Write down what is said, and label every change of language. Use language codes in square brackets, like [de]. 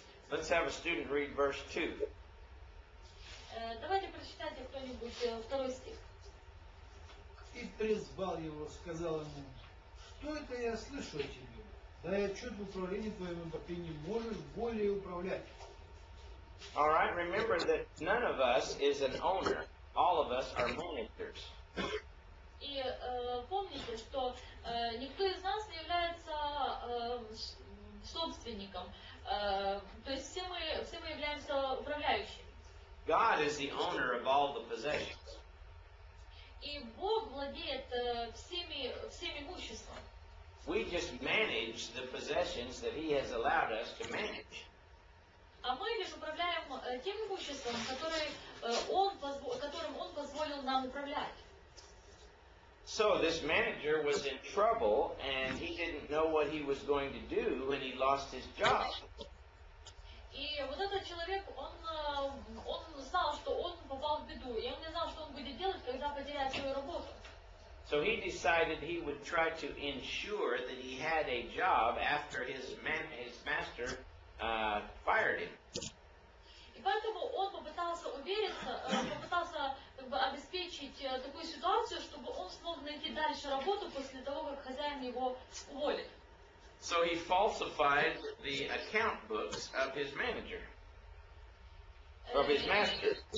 [en] Let's have a student read verse 2. [ru] Давайте прочитайте кто-нибудь второй стих. И призвал его, сказал ему, что это я слышу о тебе? Да я отчет в управлении твоему, так ты не можешь более управлять. [en] All right, remember that none of us is an owner. All of us are managers. [ru] И помните, что никто из нас не является собственником. То есть все мы являемся управляющими. [en] God is the owner of all the possessions. [ru] И Бог владеет всеми имуществом. [en] We just manage the possessions that He has allowed us to manage. [ru] А мы лишь управляем тем имуществом, которым он позволил нам управлять. [en] So this manager was in trouble, and he didn't know what he was going to do when he lost his job. [ru] И вот этот человек, он знал, что он попал в беду, и он не знал, что он будет делать, когда потеряет свою работу. [en] So he decided he would try to ensure that he had a job after his master fired him. [ru] И поэтому он попытался увериться, попытался как бы обеспечить такую ситуацию, чтобы он смог найти дальше работу после того, как хозяин его уволит. [en] So he falsified the account books of his manager, of his master.